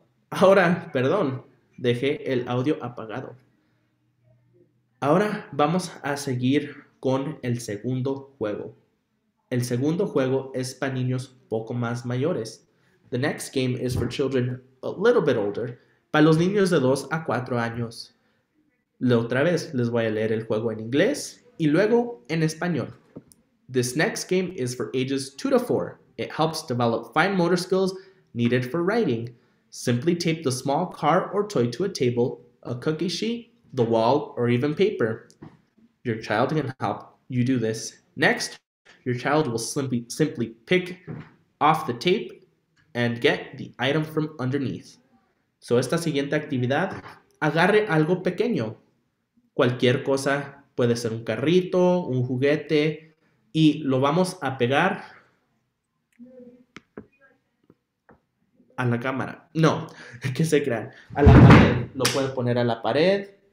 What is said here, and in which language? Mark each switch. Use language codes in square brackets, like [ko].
[es] Ahora, perdón, dejé el audio apagado. Ahora vamos a seguir con el segundo juego. El segundo juego es para niños poco más mayores. [en] The next game is for children a little bit older. [es] Para los niños de 2 a 4 años. La otra vez les voy a leer el juego en inglés y luego en español. [en] This next game is for ages 2 to 4. It helps develop fine motor skills needed for writing. Simply tape the small car or toy to a table, a cookie sheet, the wall, or even paper. Your child can help you do this. Next, your child will simply pick off the tape and get the item from underneath. [es] So, esta siguiente actividad, agarre algo pequeño. Cualquier cosa puede ser un carrito, un juguete, y lo vamos a pegar a la cámara. No, que se crean. A la pared. Lo puedes poner a la pared.